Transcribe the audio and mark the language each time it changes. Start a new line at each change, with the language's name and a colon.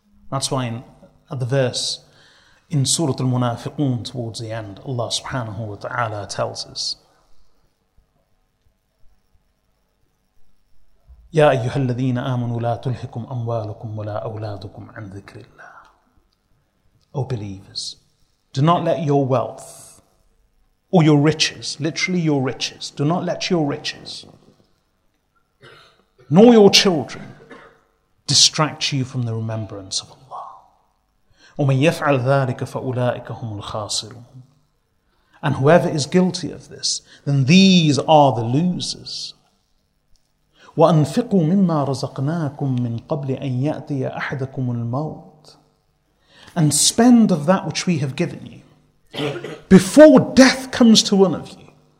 English: That's why at the verse in Surah Al-Munafiqun towards the end, Allah subhanahu wa ta'ala tells us,
Arabic: يا أيها الذين آمنوا لا تلهكم أموالكم ولا أولادكم عن ذكر الله.
English: O believers, do not let your wealth or your riches, literally your riches, do not let your riches nor your children distract you from the remembrance of Allah.
Arabic: ومن يفعل ذلك فأولئك هم الخاسرون.
English: And whoever is guilty of this, then these are the losers.
Arabic: وَأَنْفِقُوا مِمَّا رَزَقْنَاكُمْ مِنْ قَبْلِ أَنْ يَأْتِيَ أَحَدَكُمُ الْمَوْتِ.
English: And spend of that which we have given you before death comes to one of you.